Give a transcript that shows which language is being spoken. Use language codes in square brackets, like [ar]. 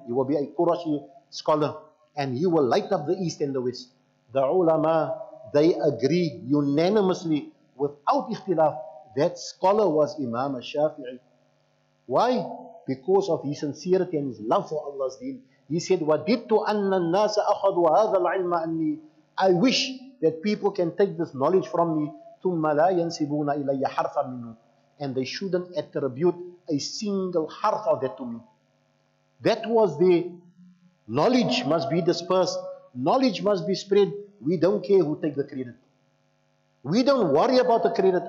[en] He will be a Qurashi scholar. And he will light up the East and the West. The ulama, they agree unanimously, without ikhtilaf, that scholar was Imam al-Shafi'i. Why? Because of his sincerity and his love for Allah's deen. He said, [ar] وَدِدْتُ أَنَّ النَّاسَ أَخَذُوا هَذَا الْعِلْمَ أَنِّي. [en] I wish that people can take this knowledge from me. [ar] ثُمَّ لَا يَنْسِبُونَ إِلَيَّ حَرْفًا مِنُّ. [en] And they shouldn't attribute a single harf of that to me. That was the knowledge must be dispersed. Knowledge must be spread. We don't care who take the credit. We don't worry about the credit.